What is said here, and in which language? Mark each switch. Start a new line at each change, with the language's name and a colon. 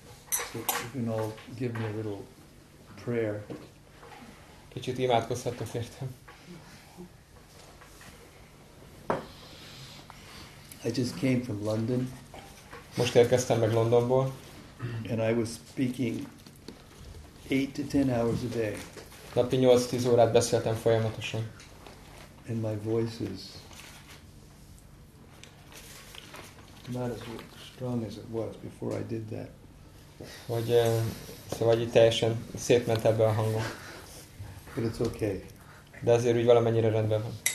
English: So you can all give me a little prayer.
Hungarian: Kicsit imádkozhatok értem.
English: I just came from London.
Hungarian: Most érkeztem meg Londonból.
English: And I was speaking 8 to 10 hours a day.
Hungarian: Napi 8-10 órát beszéltem folyamatosan.
English: And my voice is not as strong as it was before I did that.
Hungarian: Vagy szóval így teljesen szétment ebbe a hangom.
English: But it's okay.
Hungarian: De azért úgy valamennyire rendben van.